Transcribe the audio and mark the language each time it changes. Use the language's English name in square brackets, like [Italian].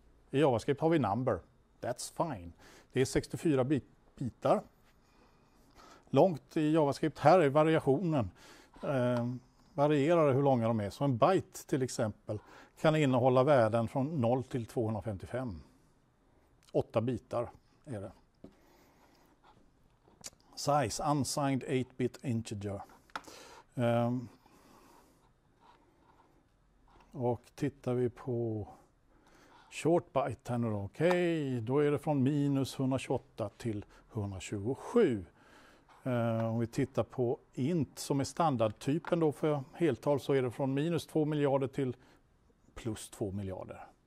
[Swedish] I JavaScript har vi number. [English] That's fine. [Swedish] Det är 64 bitar. Långt i JavaScript. Här är variationen. Varierar hur långa de är. Så en byte till exempel kan innehålla värden från 0 till 255. 8 bitar är det. [English] Size, unsigned 8-bit integer. [Swedish] Och tittar vi på short byte här nu då. Okej, då är det från minus 128 till 127. Om vi tittar på int som är standardtypen då för heltal så är det från minus 2 miljarder till plus 2 miljarder.